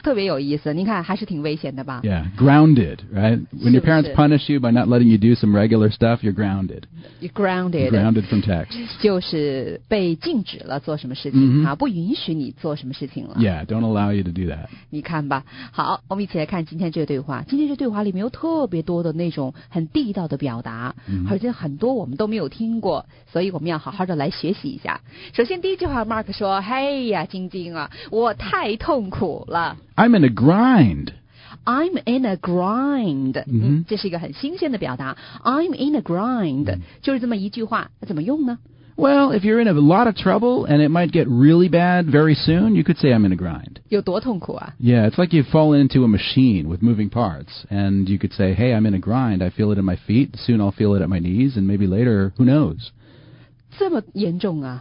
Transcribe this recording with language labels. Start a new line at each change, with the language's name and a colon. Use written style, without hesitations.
Chinese: 特别有意思，您看还是挺危险的吧。
English: Yeah， grounded， right？ When your parents punish you by not letting you do some regular stuff， you're grounded。 You're grounded。 Grounded from text。
Chinese: 就是被禁止了做什么事情，不允许你做什么事情了。
English: Yeah， don't allow you to do that。
Chinese: 你看吧，好，我们一起来看今天这个对话。今天这对话里面有特别多的那种很地道的表达，而且很多我们都没有听过。所以我们要好好的来学习一下。首先第一句话 Mark 说，嘿呀，晶晶啊，我太痛苦了。
English: I'm in a grind. I'm in a grind.
Chinese: 这是一个很新鲜的表达。
English: I'm in a grind.
Chinese: 就是这么一句话，怎么用呢？
English: Well, if you're in a lot of trouble and it might get really bad very soon, you could say I'm in a grind.
Chinese: 有多痛苦啊？
English: Yeah, it's like you've fallen into a machine with moving parts. And you could say, hey, I'm in a grind. I feel it in my feet. Soon I'll feel it at my knees. And maybe later, who knows?
Chinese: 这么严重啊？